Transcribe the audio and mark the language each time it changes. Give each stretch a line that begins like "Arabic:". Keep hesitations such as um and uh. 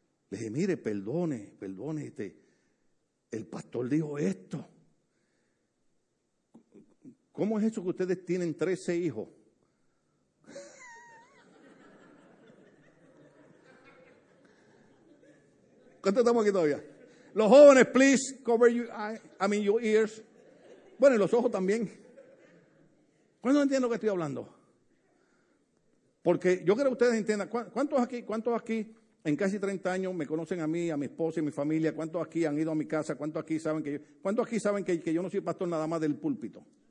Spanish: Le dije, mire, perdone, perdone, este, el pastor dijo esto. ¿Cómo es eso que ustedes tienen 13 hijos? ¿Cuántos estamos aquí todavía? Los jóvenes,
English: please cover your eye- I mean your ears.
Spanish: Bueno, y los ojos también. ¿Cuándo entiendo lo que estoy hablando? Porque yo quiero que ustedes entiendan, ¿cuán- ¿cuántos aquí, cuántos aquí en casi 30 años me conocen a mí, a mi esposa y mi familia? ¿Cuántos aquí han ido a mi casa? ¿Cuántos aquí saben que yo, cuántos aquí saben que, que yo no soy pastor nada más del púlpito?